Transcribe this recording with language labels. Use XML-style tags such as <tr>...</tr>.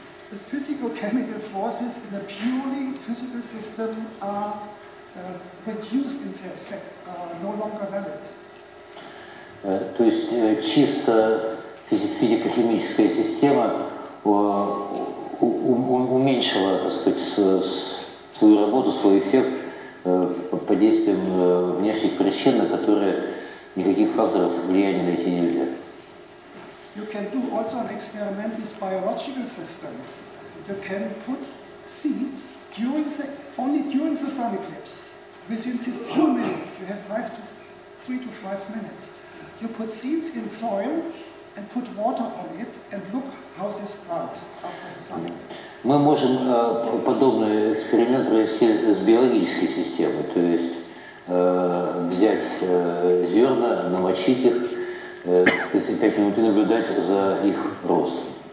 <en>The physicochemical forces in a purely physical system are reduced in their effect, are no longer valid.</en> <ru>То есть чисто физико-химическая система уменьшила, так сказать, свою работу, свой эффект под действием внешних причин, на которые никаких факторов влияния найти нельзя.</ru> <en>You can do also an experiment with biological systems. You can put seeds only during the sun eclipse. Within a few minutes, you have three to five minutes. You put seeds in soil and put water on it and look how this sprout after the sun eclipse.</en> <ru>Мы можем подобный эксперимент провести с биологической системой, то есть взять зерна, намочить их, 5 минут и наблюдать за их ростом.</ru>